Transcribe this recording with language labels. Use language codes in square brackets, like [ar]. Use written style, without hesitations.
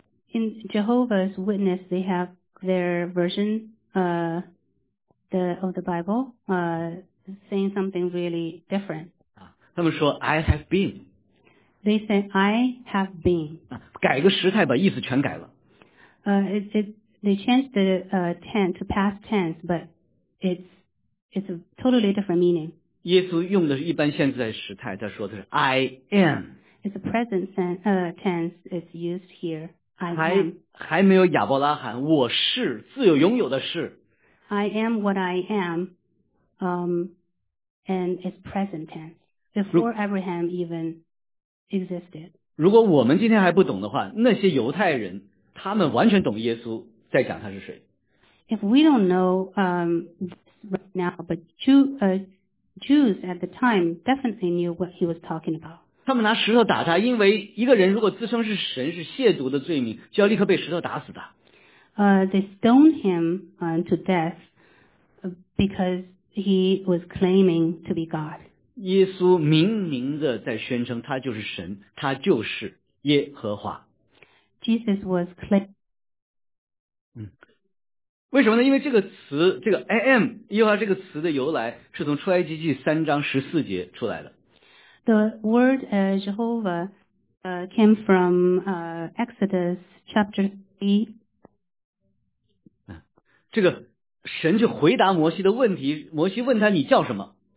[en] In Jehovah's Witness, they have their version of the Bible saying something really different. [zh] 他们说 [en] I have been. They said, I have been. [zh] 改个时态把意思全改了。 [en] They changed the tense to past tense, but it's a totally different meaning. [zh] 耶稣用的是一般现在时态，他说的是 [en] I am. It's a present tense is used here. I am. [zh] 还没有亚伯拉罕，我是自有拥有的是。 [en] I am what I am, and it's present tense. Before Abraham even... existed. [zh] 如果我们今天还不懂的话，那些犹太人他们完全懂耶稣在讲他是谁。 [en] If we don't know right now, but Jews at the time definitely knew what he was talking about. [zh] 他们拿石头打他，因为一个人如果自称是神是亵渎的罪名，就要立刻被石头打死的。 [en] They stoned him to death because he was claiming to be God. [zh] 耶稣明明的在宣称他就是神，他就是耶和华。 [en] Jesus was clear. [zh] 为什么呢？因为这个词，这个 [en] I am, [zh] 耶和华这个词的由来是从出埃及记三章十四节出来的。 [en] The word Jehovah came from Exodus chapter 3. [zh] 这个神去回答摩西的问题，摩西问他你叫什么？